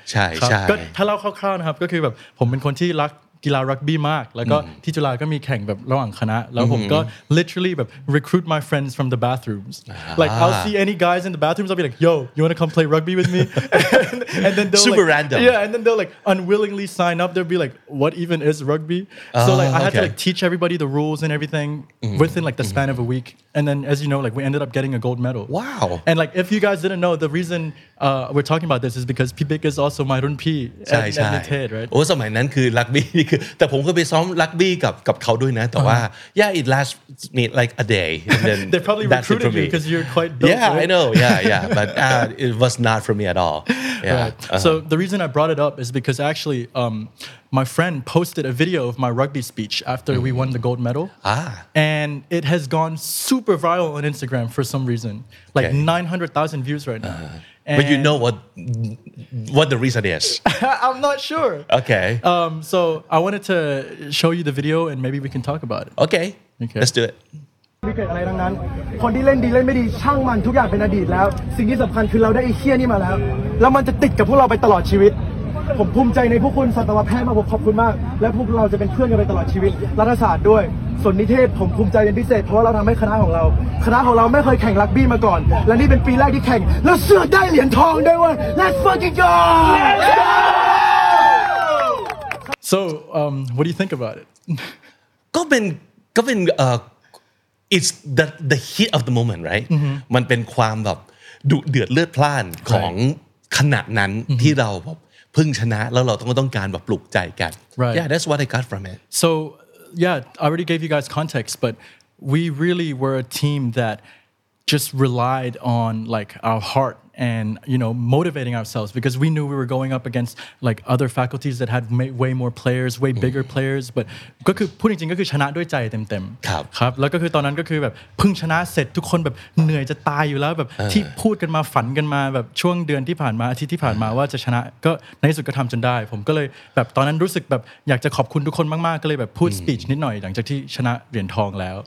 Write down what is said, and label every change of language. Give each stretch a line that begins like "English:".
Thai: ใช่ใช่ ก็ถ้าเล่าคร่าวๆนะครับก็คือแบบผมเป็นคนที่รักกีฬารักบี้มากแล้วก็ที่จุฬาก็มีแข่งแบบระหว่างคณะแล้วผมก็
English: literally แบบ recruit my friends from the bathrooms like I'll see any guys in the bathrooms I'll be like yo you wanna come play rugby with me and then they'll super like, random yeah and then they'll like unwillingly sign up they'll be like what even is rugby so like I had to like teach everybody the rules and everything within like the span of a week and then as you know like we ended up getting a gold medal wow and like if you guys didn't know the reason we're talking about this is because Pibik is also my run P
Thai: ใช่ใช่
English: right
Thai: โอ้สมัยนั้นคือรักบี้แต่ผมก็ไปซ้อมรักบี้กับเขาด้วยนะแต่ว่า
English: yeah it lasts me like a day and then they probably recruited me because you're quite dope, yeah right? I know yeah but it was not for me at all yeah right. So the reason I brought it up is because actually my friend posted a video of my rugby speech after we won the gold medal and it has gone super viral on Instagram for some reason like 900,000 views right now And but you know what the reason is. I'm not sure. Okay. So I wanted to show you the video and maybe we can talk about it. Okay. Let's do it.
Thai: ไม่เกิดอะไรทั้งนั้นคนที่เล่นดีเล่นไม่ดีช่างมันทุกอย่างเป็นอดีตแล้วสิ่งที่สำคัญคือเราได้ไอ้เชี่ยนี่มาแล้วแล้วมันจะติดกับพวกเราไปตลอดชีวิตผมภูมิใจในพวกคุณสัตวแพทย์มากผมขอบคุณมากและพวกเราจะเป็นเพื่อนกันไปตลอดชีวิตรัฐศาสตร์ด้วยส่วนนิเทศผมภูมิใจเป็นพิเศษเพราะว่าเราทำให้คณะของเราไม่เคยแข่งรักบี้มาก่อนและนี่เป็นปีแรกที่แข่งแล้วเสือกได้เหรียญทองด้วยว่ะ
English: Let's fucking go So what do you think about it
Thai: ก็เป็น
English: it's the heat of the moment right
Thai: มันเป็นความแบบดุเดือดเลือดพล่านของขณะนั้นที่เราแบบเพิ่งชนะแล้วเราต้องการแบบปลุกใจกัน
English: right. Yeah that's what I got from it So yeah I already gave you guys context but we really were a team that just relied on like our heart and you know motivating ourselves because we knew we were going up against like other faculties that had way more players way bigger players but
Thai: ก็คือพูดจริงๆก็คือชนะด้วยใจเต็ม ๆครับ ครับแล้วก็คือตอนนั้นก็คือแบบเพิ่งชนะเสร็จทุกคนแบบเหนื่อยจะตายอยู่แล้วแบบที่พูดกันมาฝันกันมาแบบช่วงเดือนที่ผ่านมาอาทิตย์ที่ผ่านมาว่าจะชนะก็ในที่สุดก็ทำจนได้ผมก็เลยแบบตอนนั้นรู้สึกแบบอยากจะขอบคุณทุกคนมากๆก็เลยแบบพูดสปีชนิดหน่อยหลังจากที่ชนะเหรียญทองแล้ว